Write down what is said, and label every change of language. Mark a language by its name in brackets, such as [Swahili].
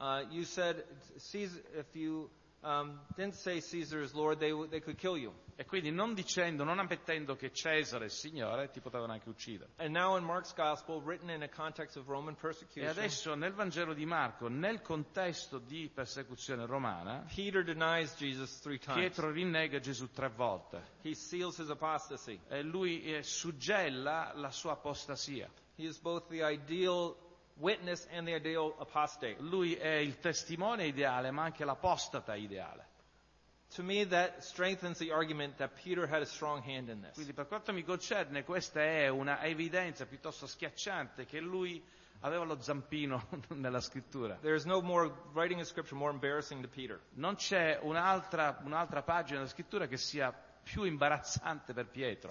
[English] You said Caesar, if you didn't say Caesar is Lord, they could kill you. [Italian] E quindi non ammettendo che Cesare è Signore, ti potevano anche uccidere. [English] And now in Mark's gospel, written in a context of Roman persecution. [Italian] E adesso nel Vangelo di Marco, nel contesto di persecuzione romana, [English] Peter denies Jesus three times. [Italian] Pietro rinnega Gesù tre volte. [English] He seals his apostasy. [Italian] E lui suggella la sua apostasia. [English] He is both the ideal witness and the ideal apostate. [Italian] Lui è il testimone ideale, ma anche l'apostata ideale. [English] To me, that strengthens the argument that Peter had a strong hand in this. [Italian] Quindi, per quanto mi concerne, questa è una evidenza piuttosto schiacciante che lui aveva lo zampino nella scrittura. [English] There is no more writing a scripture more embarrassing to Peter. [Italian] Non c'è un'altra pagina della scrittura che sia più imbarazzante per Pietro.